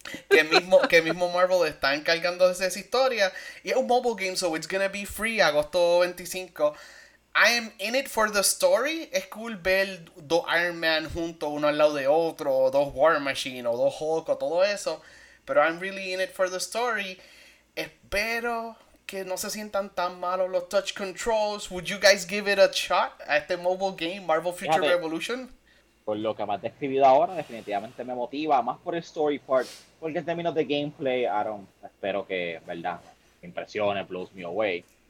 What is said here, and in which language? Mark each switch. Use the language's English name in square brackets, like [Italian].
[Spanish] que mismo Marvel está encargando de esa historia. Y es un [English] mobile game, so it's gonna be free [Spanish] agosto [English] 25. I am in it for the story. [Spanish] Es cool ver dos Iron Man juntos, uno al lado de otro, o dos War Machine, o dos Hulk, o todo eso. Pero [English] I'm really in it for the story. [Spanish] Espero que no se sientan tan malos los [English] touch controls. Would you guys give it a shot [Spanish] a este [English] mobile game, Marvel Future [Spanish] Fíjate, [English] Revolution? [Spanish] por lo que me has describido ahora, definitivamente me motiva más por el [English] story part, [Spanish] porque en términos de gameplay, Aaron, espero que, verdad, me impresione, [English] blows me away.